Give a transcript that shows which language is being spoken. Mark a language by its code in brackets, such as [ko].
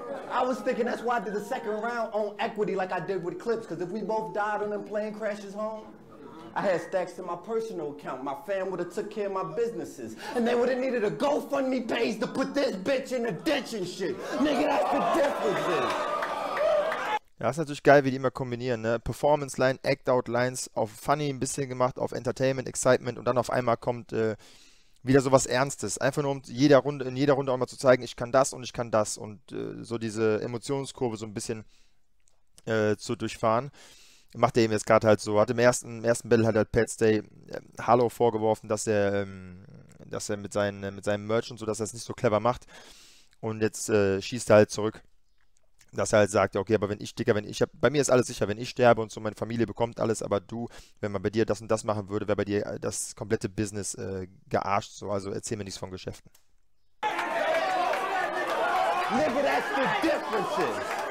[en] I was thinking that's why I did the second round on equity like I did with Clips. Cause if we both died on them plane crashes home, I had stacks in my personal account. My fam would have took care of my businesses. And they would have needed a GoFundMe page to put this bitch in the ditch and shit. Nigga, that's the difference. [de] Ja, ist natürlich geil, wie die immer kombinieren, ne? Performance-Line, Act-Out-Lines, auf Funny ein bisschen gemacht, auf Entertainment, Excitement und dann auf einmal kommt wieder sowas Ernstes. Einfach nur, um in jeder Runde auch mal zu zeigen, ich kann das und ich kann das und so diese Emotionskurve so ein bisschen zu durchfahren. Macht er eben jetzt gerade halt so. Hat im ersten Battle halt Pat Stay Hallo vorgeworfen, dass er mit seinem Merch und so, dass er es nicht so clever macht. Und jetzt schießt er halt zurück. Dass er halt sagt, okay, aber bei mir ist alles sicher, wenn ich sterbe und so, meine Familie bekommt alles, aber du, wenn man bei dir das und das machen würde, wäre bei dir das komplette Business gearscht, so, also erzähl mir nichts von Geschäften. [en] Nigga, that's the difference.